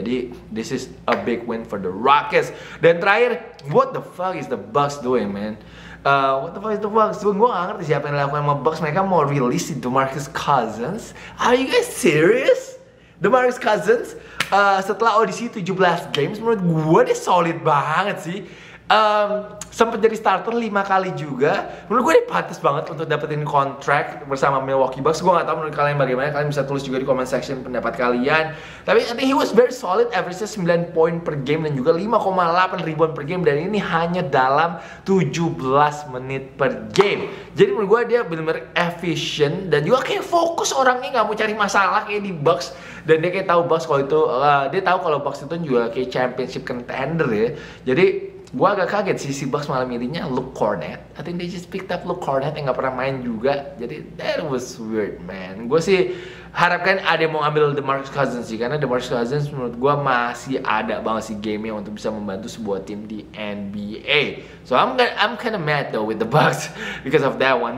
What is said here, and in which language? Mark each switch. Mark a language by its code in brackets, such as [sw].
[id] Jadi [en] this is a big win for the Rockets. [id] Dan terakhir, [en] what the fuck is the Bucks doing, man? What the fuck is the Bucks? [id] Gue gak ngerti siapa yang dilakukan sama Bucks. Mereka mau release si DeMarcus Cousins. [en] Are you guys serious? [id] DeMarcus Cousins setelah audisi 17 games, menurut gue dia solid banget sih. Sempat jadi starter 5 kali juga. Menurut gue dia pantas banget untuk dapetin kontrak bersama Milwaukee Bucks. Gue gak tahu menurut kalian bagaimana, kalian bisa tulis juga di comment section pendapat kalian. Tapi [en] I think he was very solid, [id] average-nya 9 poin per game dan juga 5,8 rebound per game, dan ini hanya dalam 17 menit per game. Jadi menurut gue dia benar-benar efficient dan juga kayak fokus orangnya, gak mau cari masalah kayak di Bucks. Dan dia kayak tahu Bucks kalau itu dia tahu kalau Bucks itu juga kayak championship contender ya. Jadi gue agak kaget sih si Bucks malah milihnya Luke Kornet. [en] I think they just picked up Luke Kornet [id] yang gak pernah main juga. Jadi [en] that was weird, man. [id] Gue sih harapkan ada yang mau ngambil DeMarcus Cousins sih, karena DeMarcus Cousins menurut gue masih ada banget sih game-nya untuk bisa membantu sebuah tim di NBA. [en] So I'm kinda mad though with the Bucks because of that one.